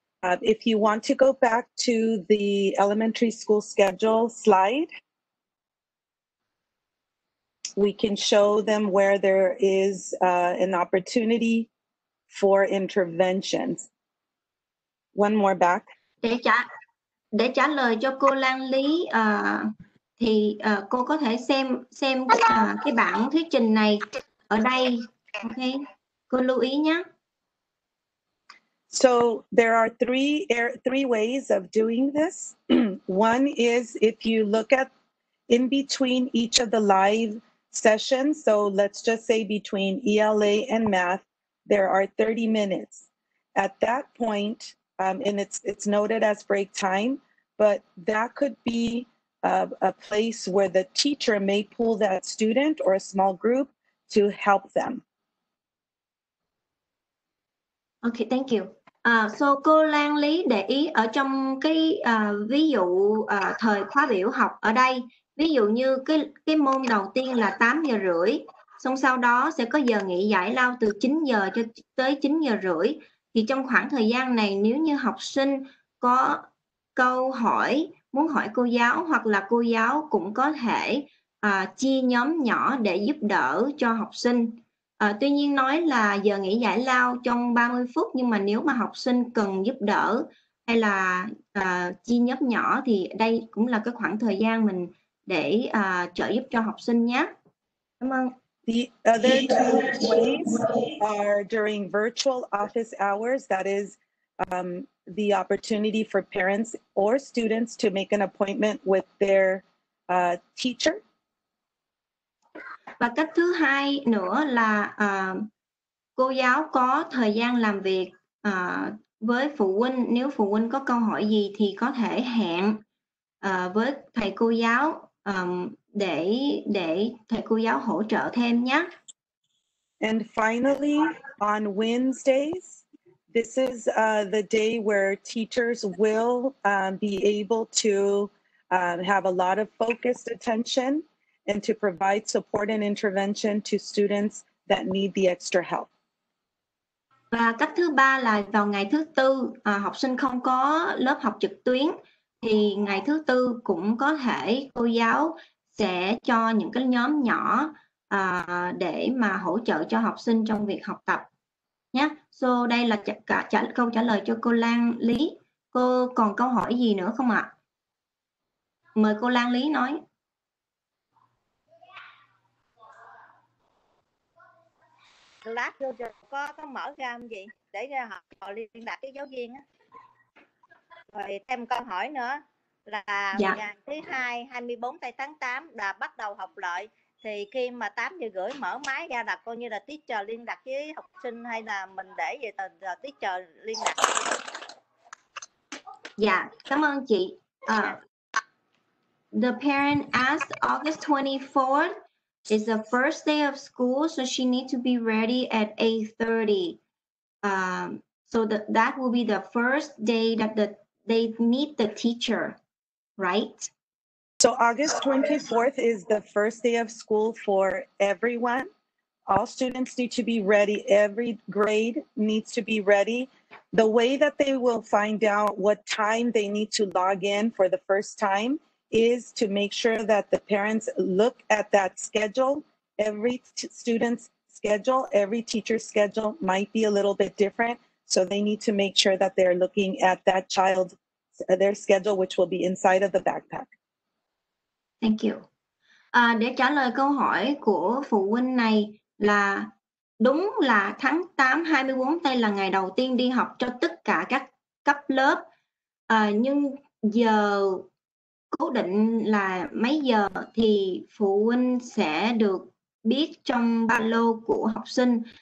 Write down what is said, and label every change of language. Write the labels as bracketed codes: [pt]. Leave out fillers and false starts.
[en] If you want to go back to the elementary school schedule slide, we can show them where there is an opportunity for interventions. One more back. [vi] Để trả lời cho cô Lan Lý thì cô có thể xem cái bản thuyết trình này ở đây. Okay. Cô lưu ý nhé. [en] So there are three ways of doing this. One is if you look at in between each of the live sessions. So let's just say between ELA and math, there are 30 minutes. At that point, and it's noted as break time, but that could be a place where the teacher may pull that student or a small group to help them. Okay, thank you. [vi] So cô Lan Lý để ý ở trong cái ví dụ thời khóa biểu học ở đây, ví dụ như cái môn đầu tiên là 8 giờ rưỡi, xong sau đó sẽ có giờ nghỉ giải lao từ 9 giờ cho tới 9 giờ rưỡi. Thì trong khoảng thời gian này, nếu như học sinh có câu hỏi muốn hỏi cô giáo, hoặc là cô giáo cũng có thể chia nhóm nhỏ để giúp đỡ cho học sinh. Tuy nhiên nói là giờ nghỉ giải lao trong 30 phút, nhưng mà nếu mà học sinh cần giúp đỡ hay là chia nhóm nhỏ thì đây cũng là cái khoảng thời gian mình để trợ giúp cho học sinh nhé. Cảm ơn. [en] The other two ways are during virtual office hours. That is the opportunity for parents or students to make an appointment with their teacher. [vi] Và cách thứ hai nữa là cô giáo có thời gian làm việc với phụ huynh. Nếu phụ huynh có câu hỏi gì thì có thể hẹn với thầy cô giáo để thầy cô giáo hỗ trợ thêm nhé. [en] And finally, on Wednesdays, this is the day where teachers will be able to have a lot of focused attention and to provide support and intervention to students that need the extra help. [vi] Và cách thứ ba là vào ngày thứ tư, học sinh không có lớp học trực tuyến thì ngày thứ tư cũng có thể cô giáo sẽ cho những cái nhóm nhỏ để mà hỗ trợ cho học sinh trong việc học tập nhé. So đây là câu trả lời cho cô Lan Lý. Cô còn câu hỏi gì nữa không ạ? Mời cô Lan Lý nói. Lát vô rồi có mở ra không gì để ra họ liên lạc với giáo viên á. Rồi thêm câu hỏi nữa là ngày thứ hai 24 tháng 8 là bắt đầu học lại, thì khi mà 8 giờ rưỡi mở máy ra là coi như là teacher liên lạc với học sinh hay là mình để về từ teacher liên lạc? Dạ, cảm ơn chị. [en] The parent asked August 24th is the first day of school, so she needs to be ready at 8:30. So that will be the first day that they meet the teacher, right? So August 24th is the first day of school for everyone. All students need to be ready. Every grade needs to be ready. The way that they will find out what time they need to log in for the first time is to make sure that the parents look at that schedule. Every student's schedule, every teacher's schedule might be a little bit different. So they need to make sure that they're looking at that child, their schedule, which will be inside of the backpack. Thank you. [vi] Để trả lời câu hỏi của phụ huynh này là đúng là tháng 8, 24 đây là ngày đầu tiên đi học cho tất cả các cấp lớp. Nhưng giờ cố định là mấy giờ thì phụ huynh sẽ được biết trong ba lô của học sinh.